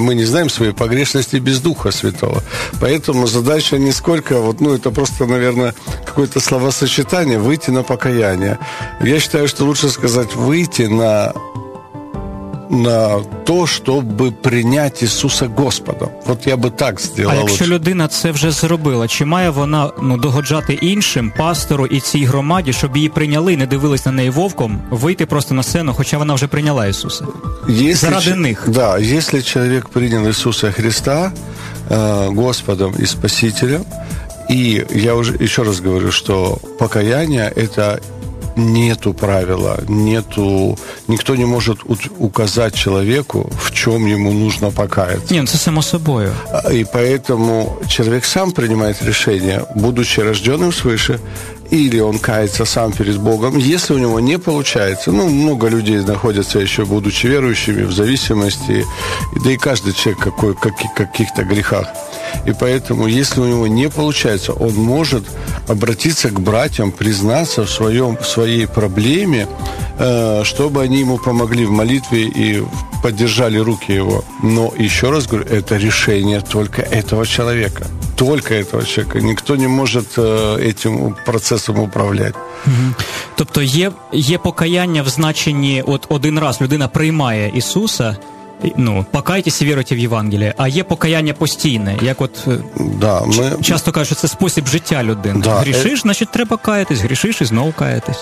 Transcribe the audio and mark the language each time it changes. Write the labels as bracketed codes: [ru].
[ru] Мы не знаем свои погрешности без Духа Святого. Поэтому задача не сколько, вот, ну это просто, наверное, какое-то словосочетание, выйти на покаяние. Я считаю, что лучше сказать выйти на то, [uk] щоб прийняти Ісуса Господом. От я би так зробив. А якщо людина це вже зробила, чи має вона, ну, догоджати іншим, пастору і цій громаді, щоб її прийняли, не дивились на неї вовком, вийти просто на сцену, хоча вона вже прийняла Ісуса? Заради них. Да, якщо людина прийняла Ісуса Христа Господом і Спасителем, і я вже ще раз говорю, що покаяння – це нету правила, нету... [ru] Никто не может указать человеку, в чем ему нужно покаяться. Нет, это само собой. И поэтому человек сам принимает решение, будучи рожденным свыше, или он кается сам перед Богом. Если у него не получается, ну, много людей находятся еще, будучи верующими, в зависимости, да и каждый человек какой, как, каких-то грехах. И поэтому, если у него не получается, он может обратиться к братьям, признаться в своем, в своей проблеме, чтобы они ему помогли в молитве и поддержали руки его. Но еще раз говорю, это решение только этого человека. Только этого человека. Никто не может этим процессом управлять. Угу. [uk] Тобто є покаяння в значенні, от один раз людина приймає Ісуса, ну, [ru] покайтесь и веруйте в Евангелие, [uk] а є покаяння постійне, як от, да, ми... часто кажуть, що це спосіб життя людини. Да, грішиш, значить треба каятись, грішиш і знову каятись.